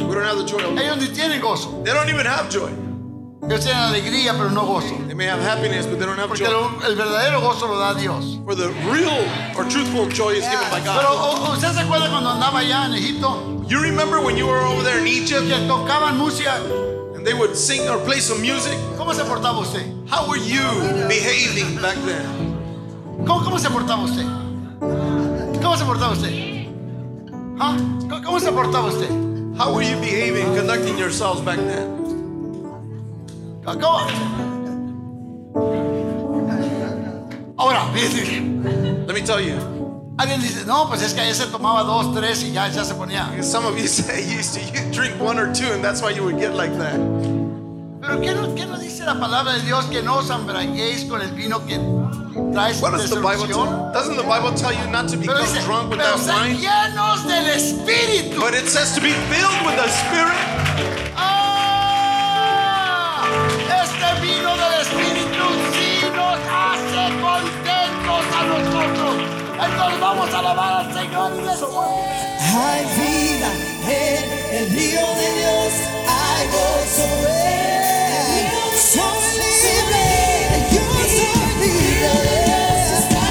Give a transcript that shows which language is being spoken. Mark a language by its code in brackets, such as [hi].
[en] We don't have the joy of the world. [es] Ellos ni tienen gozo. [en] They don't even have joy. [es] Ellos tienen alegría, pero no gozo. [en] They may have happiness, but they don't have [es] porque [en] joy. [es] Porque el verdadero gozo lo da Dios. [en] For the real or truthful joy is given by God. [es] Pero usted se acuerda cuando andaba allá en Egipto. [en] You remember when you were over there in Egypt? [es] Que tocaban música. [en] And they would sing or play some music. [es] ¿Cómo se portaba usted? [en] How were you behaving back then? [es] ¿Cómo se portaba usted? ¿Cómo se portaba usted? Huh? ¿Cómo se portaba usted? [en] How were you behaving, conducting yourselves back then? [es] ¿Cómo? Ahora, [en] let me tell you. [es] Alguien dice, no, pues es que ayer se tomaba dos, tres y ya se ponía. [en] Some of you say you used to drink one or two and that's why you would get like that. [es] Pero ¿qué no dice la palabra de Dios que no os embriaguéis con el vino que traes de destrucción? [en] Doesn't the Bible tell you not to become [es] dice, [en] drunk with that wine? [es] Pero llenos del Espíritu. [en] But it says to be filled with the Spirit. [es] Ah, este vino del Espíritu sí nos hace contentos a nosotros. Hay vida en el río de Dios, hay gozo en soy libre, yo soy libre.